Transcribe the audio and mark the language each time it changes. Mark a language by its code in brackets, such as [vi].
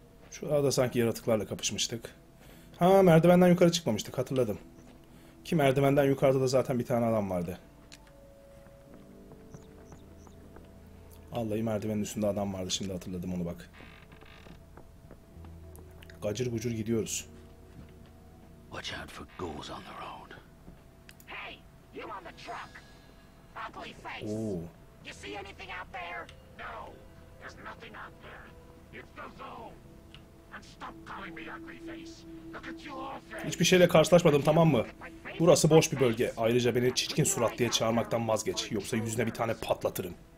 [tr] Şurada sanki yaratıklarla kapışmıştık. Ha, merdivenden yukarı çıkmamıştık, hatırladım. Ki merdivenden yukarıda da zaten bir tane adam vardı. Vallahi merdivenin üstünde adam vardı, şimdi hatırladım onu bak. Gacır gucur gidiyoruz. [en] Watch out for ghouls on the road. Hey, you on the truck. Ugly face. Oo. You see anything out there? No. There's nothing out there. It's the zone. [tr] Hiçbir şeyle karşılaşmadım tamam mı? Burası boş bir bölge. Ayrıca beni çirkin surat diye çağırmaktan vazgeç. Yoksa yüzüne bir tane patlatırım.